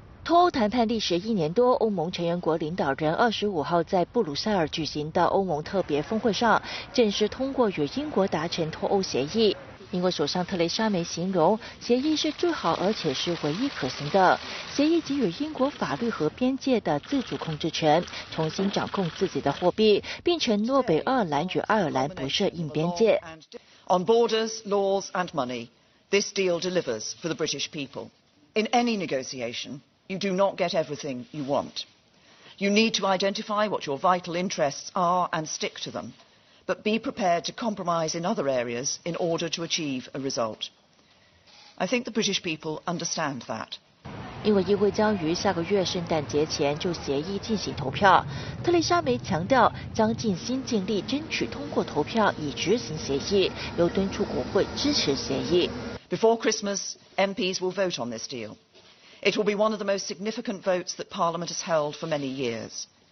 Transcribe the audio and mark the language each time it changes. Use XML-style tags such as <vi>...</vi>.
<zh>脱欧谈判历时一年多，欧盟成员国领导人25号在布鲁塞尔举行的欧盟特别峰会上正式通过与英国达成脱欧协议。英国首相特蕾莎梅形容协议是最好而且是唯一可行的，协议给予英国法律和边界的自主控制权，重新掌控自己的货币，并承诺北爱尔兰与爱尔兰不设硬边界。</zh> <en>On borders, laws and money, this deal delivers for the British people. In any negotiation, you do not get everything you want. You need to identify what your vital interests are and stick to them. But be prepared to compromise in other areas in order to achieve a result. I think the British people understand that.</en> <zh>英国议会将于下个月圣诞节前就协议进行投票。特蕾莎梅强调，将尽心尽力争取通过投票以执行协议，又敦促国会支持协议。</zh> <en>Before Christmas, MPs will vote on this deal. It will be one of the most significant votes that Parliament has held for many years.</en>